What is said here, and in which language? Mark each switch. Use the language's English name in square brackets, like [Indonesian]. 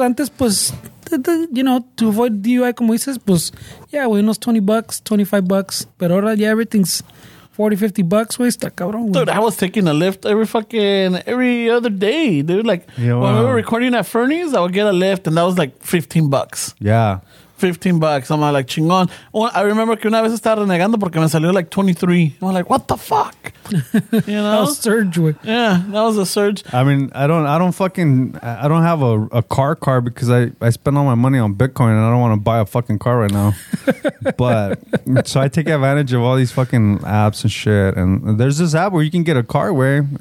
[Spanish] Antes, pues, [English] you know, to avoid DUI, [Spanish] como dices, pues, [English] yeah, [Spanish] güey, unos $20, $25. Pero ahora, [English] yeah, everything's [Spanish] $40, $50, güey, está cabrón, güey. [English] Dude, I was taking a Lyft every other day, dude. Like, yeah, well, when we were recording at Fernie's, I would get a Lyft, and that was like $15. Yeah. $15. I'm like, chingón. I remember [Spanish] que una vez estaba renegando porque me salió [English] like [Spanish] $23. [English] I'm like, what the fuck? You know? That was a surge. Yeah, that was a surge. I mean, I don't have a car because I spend all my money on Bitcoin and I don't want to buy a fucking car right now. But so I take advantage of all these fucking apps and shit. And there's this app where you can get a car, where.